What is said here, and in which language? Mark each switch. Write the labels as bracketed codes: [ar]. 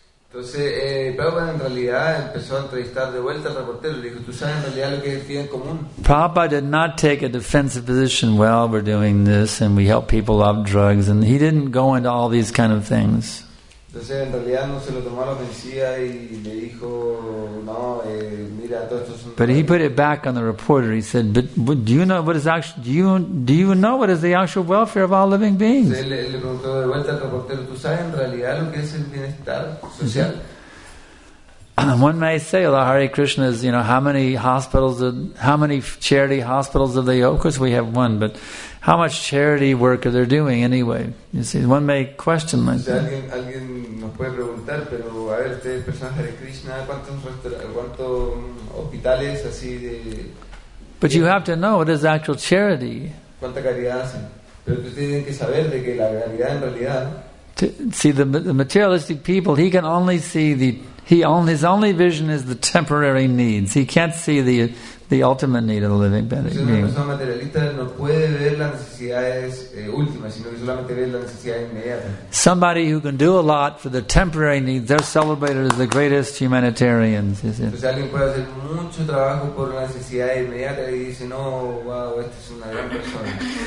[es] Entonces, Prabhupada en realidad empezó a entrevistar de vuelta al reportero. Le dijo, ¿tú sabes en realidad lo que es el bien común? [en] Prabhupada did not take a defensive position. Well, we're doing this and we help people off drugs. And he didn't go into all these kind of things. [es] Entonces, en realidad no se lo tomó a la ofensiva y le dijo, no, mira, todo esto es un... [en] But he put it back on the reporter. He said, but do you know what is the actual welfare of all living beings? [es] Entonces, le preguntó de vuelta al reportero, ¿tú sabes en realidad lo que es el bienestar social? Mm-hmm. [en] One may say, well, Hare Krishna is, you know, how many charity hospitals of the yoga? Of course we have one, but how much charity work are they doing anyway? You see, one may question like that. [es] Alguien nos puede preguntar, pero a ver, ustedes personas Hare Krishna, ¿cuántos hospitales así de...? [en] But you have to know, what is actual charity? [es] ¿Cuánta caridad hacen? Pero ustedes tienen que saber de que la caridad en realidad... [en] The materialistic people, he can only see the... His only vision is the temporary needs. He can't see the ultimate need of the living being. [es] Una persona materialista no puede ver las necesidades últimas, sino que solamente ve las necesidades inmediatas. [en] Somebody who can do a lot for the temporary needs, they're celebrated as the greatest humanitarians. [es] Entonces alguien puede hacer mucho trabajo por la necesidad inmediata y dice, no, wow, esta es una gran persona.